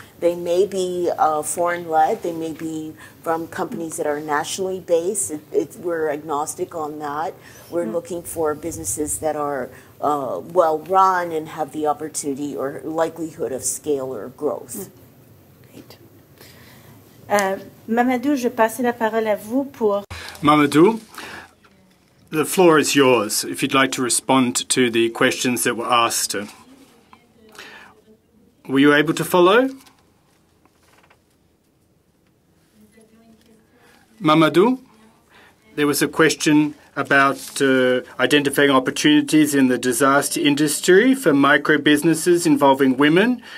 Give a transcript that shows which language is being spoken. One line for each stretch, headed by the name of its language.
English: They may be foreign-led, they may be from companies that are nationally based. We're agnostic on that. We're looking for businesses that are well-run and have the opportunity or likelihood of scale or growth. Great.
French: Mamadou, je passe la parole à vous pour...
English: Mamadou, the floor is yours if you'd like to respond to the questions that were asked. Were you able to follow? Mamadou, there was a question about identifying opportunities in the disaster industry for micro-businesses involving women.